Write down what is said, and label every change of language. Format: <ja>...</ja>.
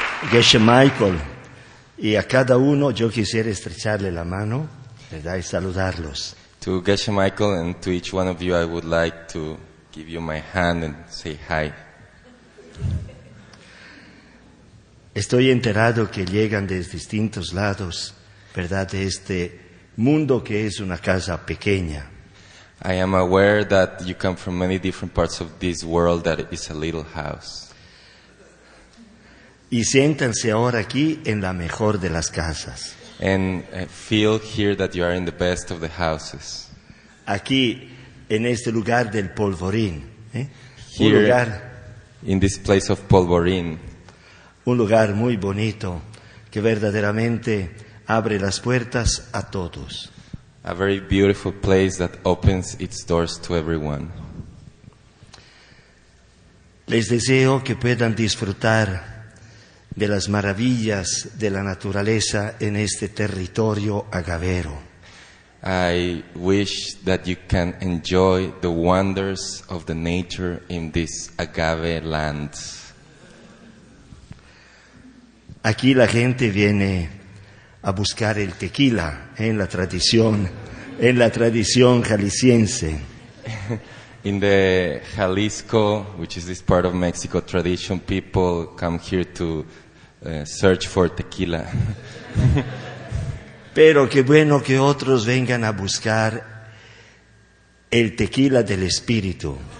<es>Geshe Michael, y a cada uno yo quisiera estrecharle la mano, ¿verdad? Y saludarlos.</es> <en>To Geshe Michael and to each one of you, I would like to give you my hand and say hi.</en> <es>Estoy enterado que llegan de distintos lados, ¿verdad? De este mundo que es una casa pequeña.</es> <en>I am aware that you come from many different parts of this world that is a little house.</en> <es>Y siéntanse ahora aquí en la mejor de las casas.</es> <en>And feel here that you are in the best of the houses.</en> <es>Aquí, en este lugar del polvorín.</es> <en>Here,</en> <es>un lugar,</es> <en>in this place of polvorín.</en> <es>Un lugar muy bonito que verdaderamente abre las puertas a todos.</es> <en>A very beautiful place that opens its doors to everyone.</en> <es>Les deseo que puedan disfrutar de las maravillas de la naturaleza en este territorio agavero.</es> <en>I wish that you can enjoy the wonders of the nature in this agave land.</en> <es>Aquí la gente viene a buscar el tequila en la tradición jalisciense.</es> <en>In the Jalisco, which is this part of Mexico tradition, people come here to search for tequila.</en> <es>Pero qué bueno que otros vengan a buscar el tequila del espíritu.</es>